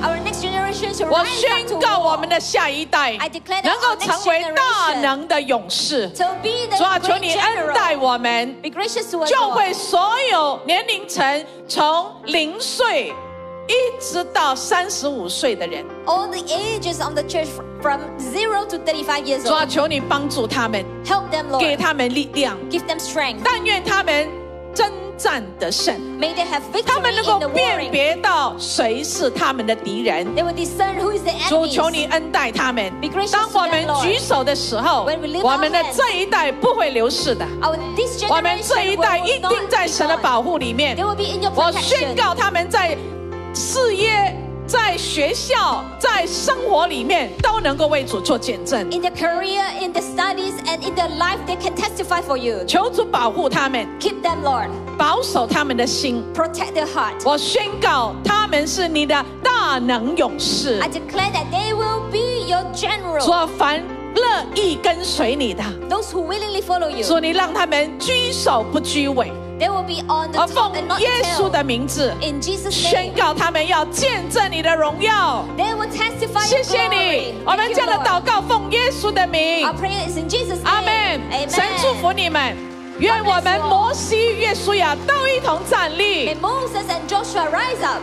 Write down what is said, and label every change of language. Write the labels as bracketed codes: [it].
[zh] 我宣告我们的下一代能够成为大能的勇士。主啊，求你恩待我们，教会所有年龄层从零岁一直到35岁的人。 [en] All the ages of the church from 0 to 35 years old. [zh] 主啊，求你帮助他们 [en] ，Help them, Lord. [zh] 给他们力量 [en] ，Give them strength. [zh] 但愿他们征战得胜 [en] ，May they have victory in the warring. [zh] 他们能够辨别到谁是他们的敌人 [en] ，They will discern who is the enemy. [zh] 主，求你恩待他们 [en] ，Be gracious to them, Lord. [zh] 当我们举手的时候 [en] ，When we lift our hands, [zh] 我们的这一代不会流逝的 [en] ，Our this generation will not be gone. [zh] 我们这一代一定在神的保护里面 [en] ，They will be in your protection. [zh] 我宣告他们在事业、在学校、在生活里面都能够为主做见证。 [en] In their career, in their studies, and in their life, they can testify for you. [zh] 求主保护他们。 [en] Keep them, Lord. [zh] 保守他们的心。 [en] Protect their heart. [zh] 我宣告他们是你的大能勇士。 [en] I declare that they will be your general. [zh] 主啊，凡乐意跟随你的。 [en] Those who willingly follow you. [zh] 主，你让他们居首不居尾。 [en] They will be on the top and not tail. [zh] 耶稣的名字 [en] ，In Jesus' name, [zh] 宣告他们要见证你的荣耀。 [en] They will testify your glory. [zh] 谢谢你，我们这样的祷告奉耶稣的名。 [en] Our prayer is in Jesus' name. Amen. Amen. [zh] 神祝福你们。愿我们摩西、约书亚都一同站立。 [en] May Moses and Joshua rise up.